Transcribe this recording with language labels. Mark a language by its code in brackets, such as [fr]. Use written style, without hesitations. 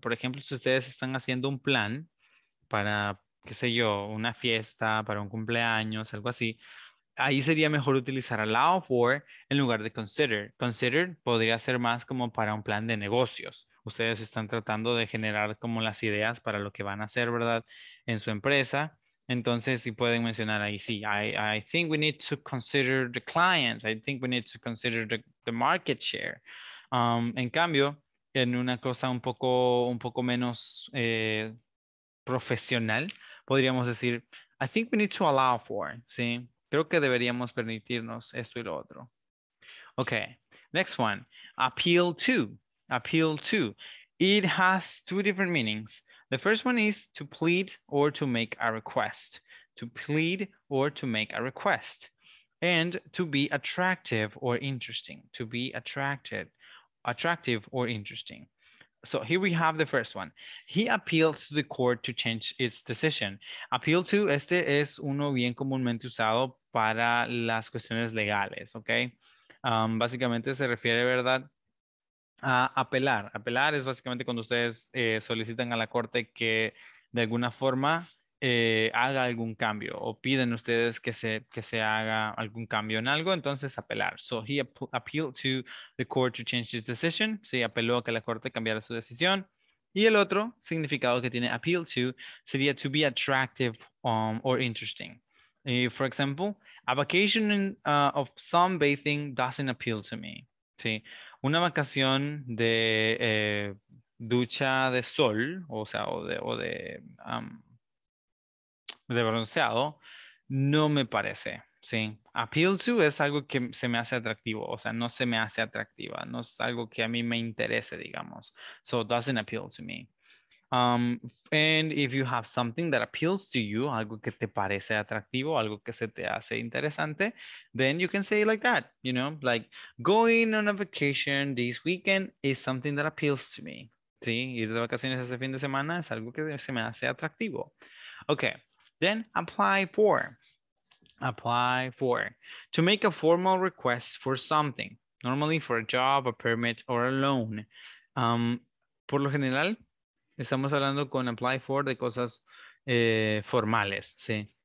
[es] Por ejemplo, si ustedes están haciendo un plan para, qué sé yo, una fiesta, para un cumpleaños, algo así, ahí sería mejor utilizar allow for en lugar de consider. Consider podría ser más como para un plan de negocios. Ustedes están tratando de generar como las ideas para lo que van a hacer, ¿verdad? En su empresa. Entonces, si pueden mencionar ahí, sí, [en] I think we need to consider the clients. I think we need to consider the market share. [es] En cambio, en una cosa un poco menos profesional, podríamos decir, [en] I think we need to allow for, [es] ¿sí? Creo que deberíamos permitirnos esto y lo otro. [en] Okay, next one, appeal to. Appeal to. It has two different meanings. The first one is to plead or to make a request. To plead or to make a request. And to be attractive or interesting. To be attractive or interesting. So here we have the first one. He appealed to the court to change its decision. [es] Appeal to, este es uno bien comúnmente usado para las cuestiones legales, okay? Básicamente se refiere, ¿verdad?, a apelar. Apelar es básicamente cuando ustedes solicitan a la corte que de alguna forma haga algún cambio o piden ustedes que se haga algún cambio en algo, entonces apelar. [en] So he appealed to the court to change his decision. [es] Sí, apeló a que la corte cambiara su decisión. Y el otro significado que tiene appeal to sería [en] to be attractive or interesting. For example, a vacation in, of sunbathing doesn't appeal to me. [es] Sí, una vacación de ducha de sol, o sea, o de bronceado, no me parece, ¿sí? Appeal to es algo que se me hace atractivo, o sea, no se me hace atractiva, no es algo que a mí me interese, digamos. [en] So, doesn't appeal to me. And if you have something that appeals to you, [es] algo que te parece atractivo, algo que se te hace interesante, [en] then you can say it like that, you know, like going on a vacation this weekend is something that appeals to me. [es] Sí, ir de vacaciones este fin de semana es algo que se me hace atractivo. [en] Okay, then apply for, to make a formal request for something, normally for a job, a permit, or a loan. [es] Por lo general, estamos hablando con apply for de cosas formales, sí.